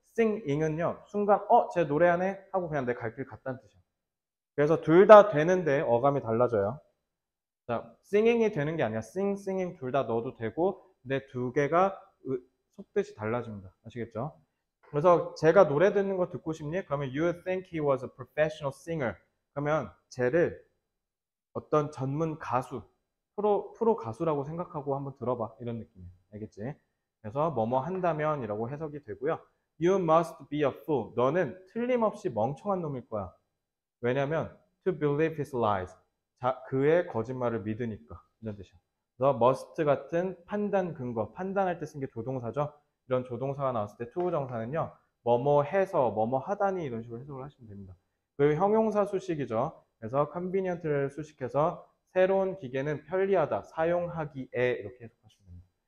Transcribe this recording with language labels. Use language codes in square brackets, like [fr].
[ko] singing은요. 순간 쟤 노래하네? 하고 그냥 내갈길 갔다는 뜻이야. 그래서 둘다 되는데 어감이 달라져요. 자, singing이 되는 게 아니야. sing, singing 둘다 넣어도 되고 근데 두 개가 속뜻이 달라집니다. 아시겠죠? 그래서 제가 노래 듣는 거 듣고 싶니? 그러면 [en] you think he was a professional singer. [ko] 그러면 쟤를 어떤 전문 가수, 프로 가수라고 생각하고 한번 들어봐. 이런 느낌이에요. 알겠지? 그래서 뭐뭐 한다면이라고 해석이 되고요. [en] You must be a fool. [ko] 너는 틀림없이 멍청한 놈일 거야. 왜냐면 [en] to believe his lies. [ko] 자, 그의 거짓말을 믿으니까. 이런 뜻이야. 그래서 must 같은 판단 근거, 판단할 때쓴게 조동사죠. 이런 조동사가 나왔을 때 to 부정사는요 뭐뭐 해서 뭐뭐 하다니 이런 식으로 해석을 하시면 됩니다. 그리고 형용사 수식이죠. 그래서 convenient를 수식해서 새로운 기계는 편리하다, 사용하기에 이렇게 해석하시면 됩니다.